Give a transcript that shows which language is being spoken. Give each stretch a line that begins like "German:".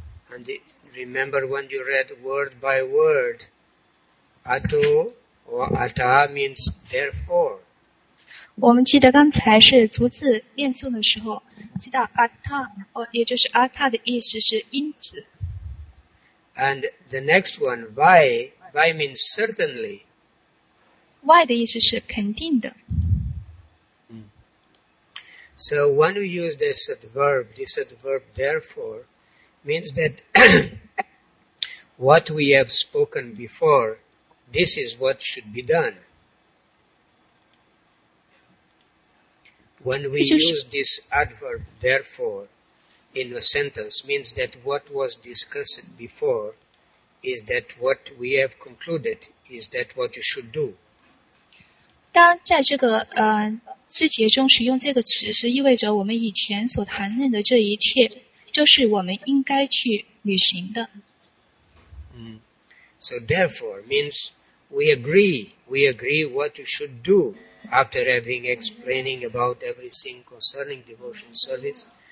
English: And remember when you read word by word, ato or ata means therefore.
Chinese: 我们记得刚才是逐字念诵的时候，知道 ata 也就是 ata 的意思是因此。
English: And the next one, vai means certainly.
Chinese: Vai 的意思是肯定的。
English: So when we use this adverb therefore means that what we have spoken before, this is what should be done. When we use this adverb therefore in a sentence means that what was discussed before is that what we have concluded is that what you should do.
Chinese: 当在这个字节中使用这个词，是意味着我们以前所谈论的这一切，就是我们应该去履行的。
English: So therefore means we agree what you should do after having explaining about everything concerning devotion service.